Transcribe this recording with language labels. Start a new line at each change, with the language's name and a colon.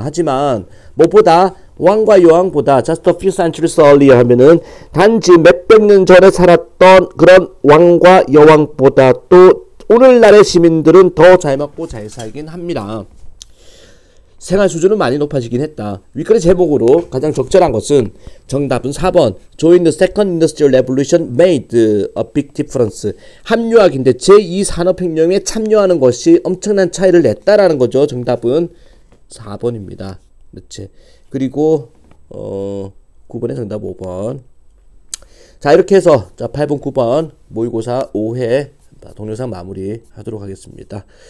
Korean: 하지만 무엇보다 왕과 여왕보다,
English: just a few centuries earlier
Korean: 하면은 단지 몇백 년 전에 살았던 그런 왕과 여왕보다 또 오늘날의 시민들은 더잘 먹고 잘 살긴 합니다. 생활 수준은 많이 높아지긴 했다. 윗글의 제목으로 가장 적절한 것은, 정답은 4번.
English: Join the second industrial revolution made a big difference.
Korean: 합류학인데 제2산업혁명에 참여하는 것이 엄청난 차이를 냈다라는 거죠. 정답은 4번입니다. 그렇지. 그리고 9번의 정답 5번. 자, 이렇게 해서 자 8번, 9번 모의고사 5회 동영상 마무리하도록 하겠습니다.